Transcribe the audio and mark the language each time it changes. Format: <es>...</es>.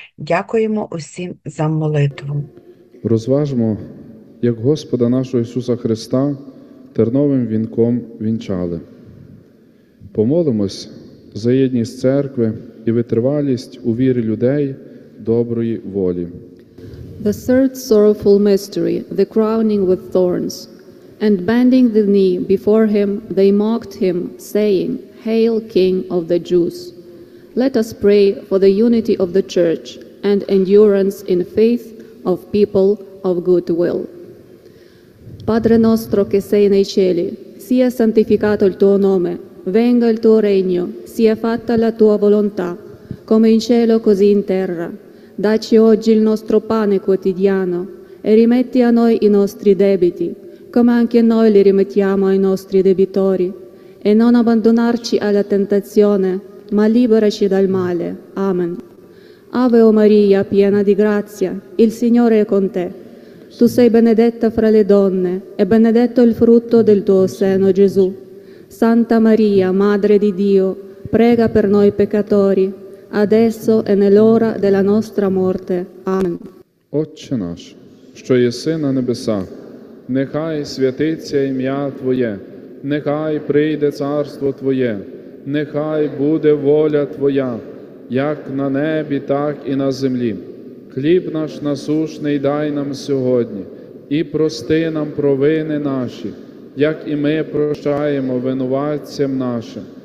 <uk>Дякуємо усім за молитву. Розважмо, як Господа нашого Ісуса Христа терновим вінком вінчали. Помолимось за єдність церкви і витривалість у вірі людей доброї волі.</uk> <en>The third sorrowful mystery, the crowning with thorns. And bending the knee before him, they mocked him, saying, Hail, King of the Jews! Let us pray for the unity of the church and endurance in faith of people of good will.</en> <it>Padre nostro che sei nei cieli, sia santificato il tuo nome, venga il tuo regno, sia fatta la tua volontà, come in cielo così in terra. Dacci oggi il nostro pane quotidiano e rimetti a noi i nostri debiti, come anche noi li rimettiamo ai nostri debitori. E non abbandonarci alla tentazione, ma liberaci dal male. Amen. Ave o Maria, piena di grazia, il Signore è con te. Tu sei benedetta fra le donne e benedetto il frutto del tuo seno, Gesù. Santa Maria, Madre di Dio, prega per noi peccatori, adesso e nell'ora della nostra morte. Amen.</it> <uk>Отче наш, що єси на небесах, нехай святиться ім'я Твоє, нехай прийде царство Твоє, нехай буде воля Твоя, як на небі, так і на землі. Хліб наш насущний дай нам сьогодні, і прости нам провини наші, як і ми прощаємо винуватцям нашим.</uk>